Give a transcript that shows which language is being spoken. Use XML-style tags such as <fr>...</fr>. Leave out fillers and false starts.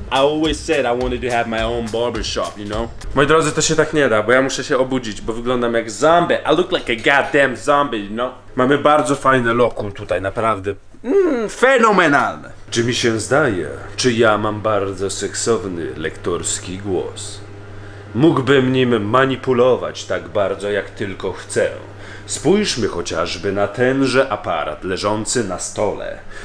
<en>I always said I wanted to have my own barbershop, you know?</en> <pl>Moi drodzy, to się tak nie da, bo ja muszę się obudzić, bo wyglądam jak zombie.</pl> <en>I look like a goddamn zombie, you know?</en> <pl>Mamy bardzo fajny lokum tutaj, naprawdę. Fenomenalne. Czy mi się zdaje, czy ja mam bardzo seksowny lektorski głos? Mógłbym nim manipulować tak bardzo, jak tylko chcę. Spójrzmy chociażby na tenże aparat leżący na stole.</pl>